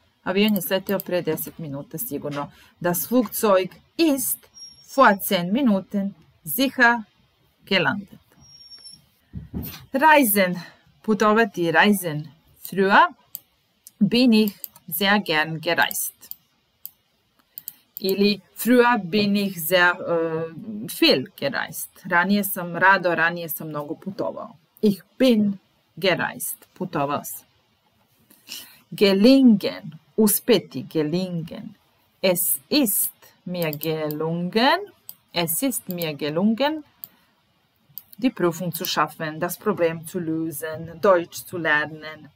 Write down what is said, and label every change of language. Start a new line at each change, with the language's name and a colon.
Serbian: Avion je sleteo pre 10 minuta sigurno.
German: Das Flugzeug ist vor 10 Minuten sicher gelandet. Reisen, putovati, reisen. Früher bin ich sehr gern gereist. Ili früher bin ich sehr viel gereist.
Serbian: Ranije sam rado, ranije sam mnogo putovao.
German: Ich bin gereist,
Serbian: putovao sam.
German: Gelingen, uspeti, gelingen. Es ist mir gelungen, es ist mir gelungen, die Prüfung zu schaffen, das Problem zu lösen, Deutsch zu lernen.